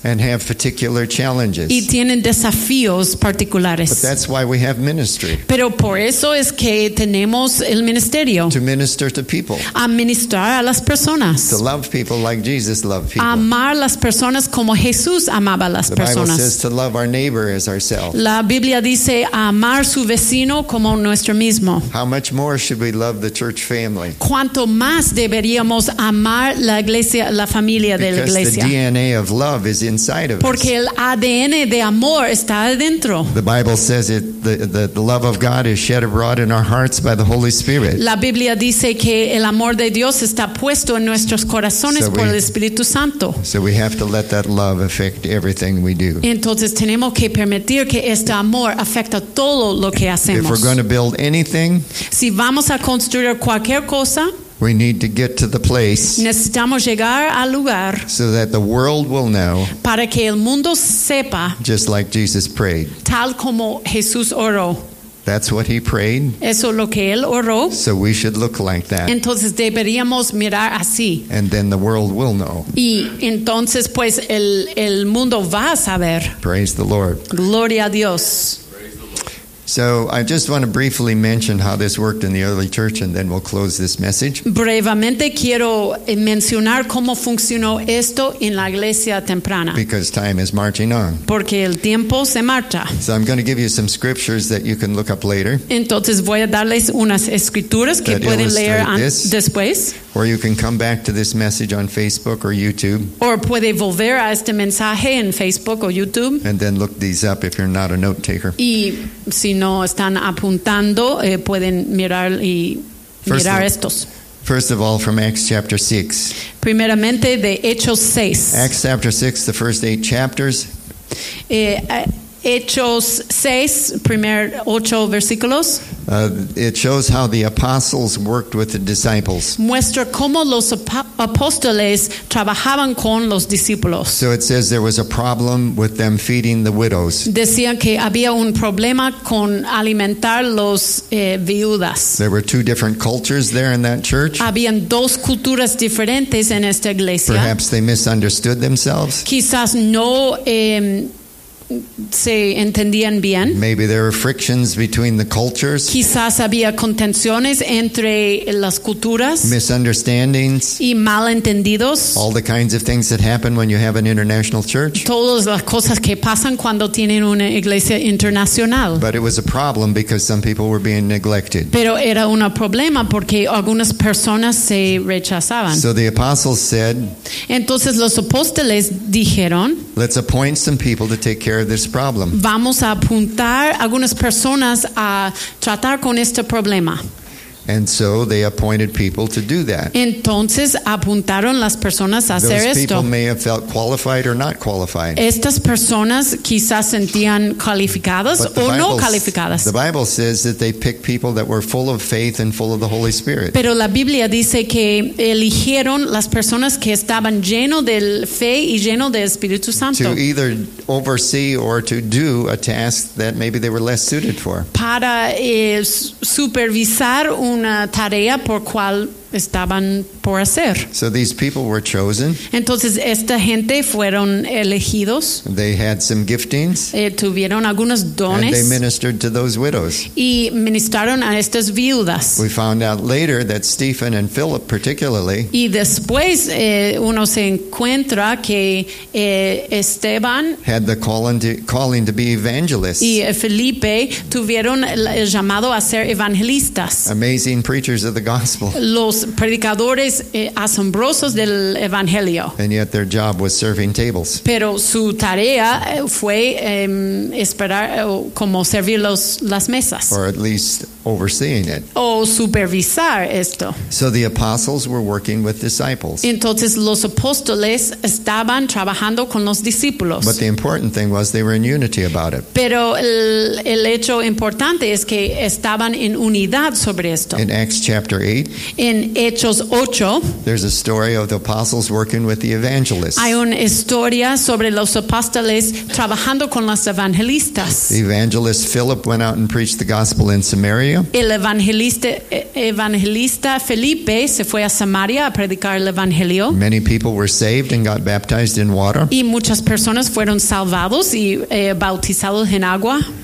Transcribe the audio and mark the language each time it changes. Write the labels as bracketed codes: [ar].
[en] And have particular challenges. [es] Y tienen desafíos particulares. [en] But that's why we have ministry. [es] Pero por eso es que tenemos el ministerio. [en] To minister to people. [es] A ministrar a las personas. [en] To love people like Jesus loved people. [es] Amar las personas como Jesús amaba a las personas. [en] The Bible says to love our neighbor as ourselves. [es] La Biblia dice amar su vecino como nuestro mismo. [en] How much more should we love the church family? [es] ¿Cuánto más deberíamos amar la iglesia, la familia de la iglesia? [en] Because the DNA of love is inside of us. [es] Porque el ADN de amor está adentro. [en] The Bible says it, the love of God is shed abroad in our hearts by the Holy Spirit. [es] La Biblia dice que el amor de Dios está puesto en nuestros corazones por el Espíritu Santo. [en] So we have to let that love affect everything we do. [es] Entonces tenemos que permitir que este amor afecte todo lo que hacemos. [en] If we're going to build anything, [es] si vamos a construir cualquier cosa, [en] we need to get to the place. [es] Necesitamos llegar al lugar. [en] So that the world will know. [es] Para que el mundo sepa. [en] Just like Jesus prayed. [es] Tal como Jesús oró. [en] That's what he prayed. [es] Eso es lo que él oró. [en] So we should look like that. [es] Entonces deberíamos mirar así. [en] And then the world will know. [es] Y entonces pues el mundo va a saber. [en] Praise the Lord. [es] Gloria a Dios. [en] So I just want to briefly mention how this worked in the early church, and then we'll close this message. [es] Brevemente quiero mencionar cómo funcionó esto en la iglesia temprana. [en] Because time is marching on. [es] Porque el tiempo se marcha. [en] So I'm going to give you some scriptures that you can look up later. [es] Entonces voy a darles unas escrituras que pueden leer después. [en] Or you can come back to this message on Facebook or YouTube. [es] Or puede volver a este mensaje en Facebook o YouTube. [en] And then look these up if you're not a note taker. [es] Y si no están apuntando, pueden mirar y mirar estos. [en] First of all, from Acts chapter 6. [es] Primeramente de Hechos 6. [en] Acts chapter 6, the first 8 chapters. [es] Hechos 6, primer 8 versículos. [en] It shows how the apostles worked with the disciples. [es] Muestra cómo los apóstoles trabajaban con los discípulos. [en] So it says there was a problem with them feeding the widows. [es] Decían que había un problema con alimentar los viudas. [en] There were two different cultures there in that church. [es] Habían dos culturas diferentes en esta iglesia. [en] Perhaps they misunderstood themselves. [es] Quizás no se entendían bien. [en] Maybe there were frictions between the cultures. [es] Quizás había contenciones entre las culturas. [en] Misunderstandings. [es] Y malentendidos. [en] All the kinds of things that happen when you have an international church. [es] Todas las cosas que pasan cuando tienen una iglesia internacional. [en] But it was a problem because some people were being neglected. [es] Pero era un problema porque algunas personas se rechazaban. [en] So the apostles said, [es] entonces los apóstoles dijeron, [en] let's appoint some people to take care of this problem. [es] Vamos a apuntar algunas personas a tratar con este problema. [en] And so they appointed people to do that. [es] Entonces apuntaron las personas a hacer esto. [en] Those people may have felt qualified or not qualified. [es] Estas personas quizás sentían calificadas o no calificadas. [en] The Bible says that they picked people that were full of faith and full of the Holy Spirit. [es] Pero la Biblia dice que eligieron las personas que estaban llenos de fe y llenos de Espíritu Santo. [en] To either oversee or to do a task that maybe they were less suited for. [es] Para supervisar una tarea por cual estaban por hacer. [en] So these people were chosen. [es] Entonces esta gente fueron elegidos. [en] They had some giftings. [es] Tuvieron algunos dones. [en] And they ministered to those widows. [es] Y ministraron a estas viudas. [en] We found out later that Stephen and Philip particularly. [es] Y después uno se encuentra que Esteban [en] had the calling to be evangelists. [es] Y Felipe tuvieron el llamado a ser evangelistas. [en] Amazing preachers of the gospel. [es] Los predicadores asombrosos del evangelio. [en] And yet their job was serving tables. [es] Pero su tarea fue esperar como servir las mesas. [en] Or at least overseeing it. [es] O supervisar esto. [en] So the apostles were working with disciples. [es] Entonces los apóstoles estaban trabajando con los discípulos. [en] But the important thing was they were in unity about it. [es] Pero el hecho importante es que estaban en unidad sobre esto. [en] In Acts chapter 8. [es] En Hechos 8. [en] There's a story of the apostles working with the evangelists. [es] Hay una historia sobre los apóstoles trabajando con los evangelistas. [en] The evangelist Philip went out and preached the gospel in Samaria. [es] El evangelista Felipe se fue a Samaria a predicar el evangelio. [en] Many people were saved and got baptized in water. [es] Y muchas personas fueron salvados y bautizados en agua.